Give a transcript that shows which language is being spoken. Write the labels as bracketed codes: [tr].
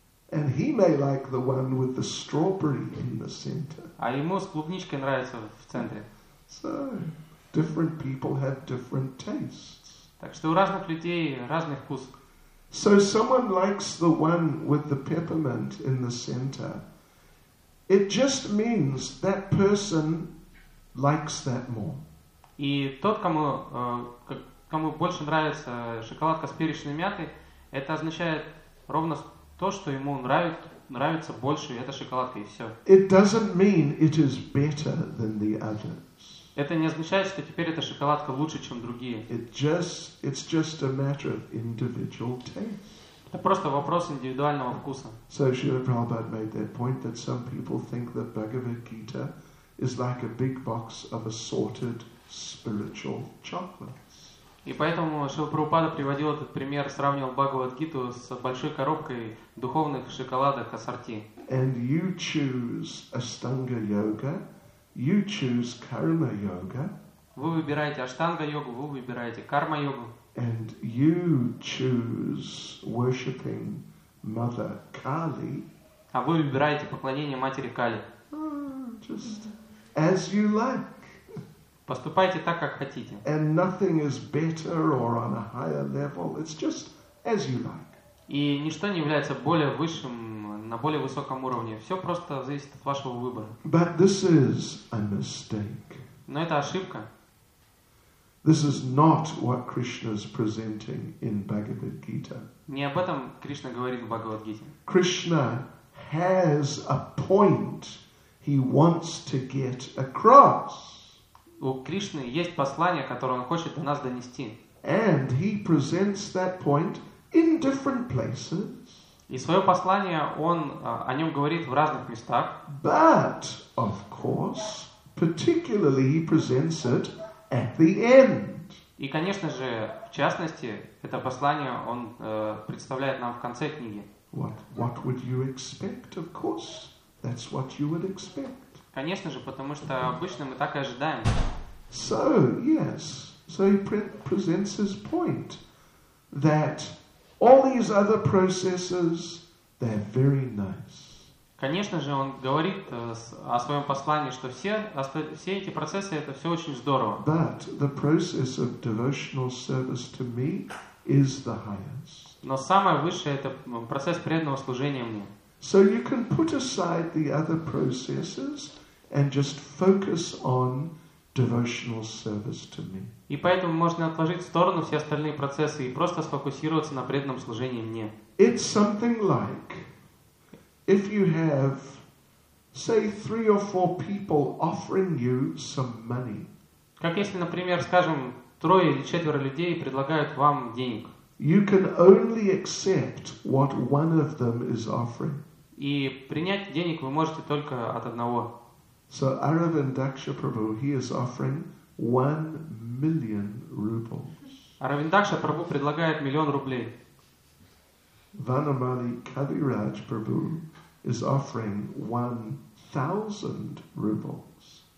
[en] And he may like the one with the strawberry in the center. [ru] А ему с клубничкой нравится в центре. [en] So, different people have different tastes. [ru] Так что у разных людей разный вкус. [en] So someone likes the one with the peppermint in the center. It just means that person likes that more. [ru] И тот, кому больше нравится шоколадка с перечной мятой, это означает ровно то, что ему нравится больше эта шоколадка, и все. [en] It doesn't mean it is better than the others. [ru] Это не означает, что теперь эта шоколадка лучше, чем другие. [en] It's just a matter of individual taste. [ru] Это просто вопрос индивидуального вкуса. [en] So Srila Prabhupada made that point that some people think that Bhagavad Gita is like a big box of assorted spiritual chocolates. [ru] И поэтому Шрила Прабхупада приводил этот пример, сравнивал Бхагавад-гиту с большой коробкой духовных шоколадок ассорти. [en] And you choose Ashtanga yoga, you choose Karma yoga. [ru] Вы выбираете Аштанга йогу, вы выбираете Карма йогу. [en] And you choose worshiping Mother Kali. [ru] А вы выбираете поклонение матери Кали. [en] Just as you like. [ru] Поступайте так, как хотите. [en] And nothing is better or on a higher level. It's just as you like. [ru] И ничто не является более высшим, на более высоком уровне. Все просто зависит от вашего выбора. [en] But this is a mistake. [ru] Но это ошибка. [en] This is not what Krishna is presenting in Bhagavad Gita. [ru] Не об этом Кришна говорит в Бхагавад-гите. [en] Krishna has a point he wants to get across. [ru] У Кришны есть послание, которое Он хочет до нас донести. [en] And he presents that point in different places. [ru] И свое послание Он о нем говорит в разных местах. [en] But, of course, particularly he presents it at the end. [ru] И, конечно же, в частности, это послание Он представляет нам в конце книги. [en] What would you expect? Of course, that's what you would expect. [ru] Конечно же, потому что обычно мы так и ожидаем. [en] So, yes. So he presents his point that all these other processes, they're very nice. [ru] Конечно же, он говорит о своем послании, что все эти процессы, это все очень здорово. [en] But the process of devotional service to me is the highest. [ru] Но самое высшее – это процесс преданного служения мне. [en] So you can put aside the other processes and just focus on devotional service to me. [ru] И поэтому можно отложить в сторону все остальные процессы и просто сфокусироваться на преданном служении мне. [en] It's something like if you have, say, three or four people offering you some money. [ru] Как если, например, скажем, трое или четверо людей предлагают вам денег. [en] You can only accept what one of them is offering. [ru] И принять денег вы можете только от одного. [en] So Aravindaksha Prabhu, he is offering 1,000,000 rubles. [ru] Aravindaksha Prabhu предлагает 1,000,000 rubles. [en] Vanamali Kaviraj Prabhu is offering 1,000 rubles.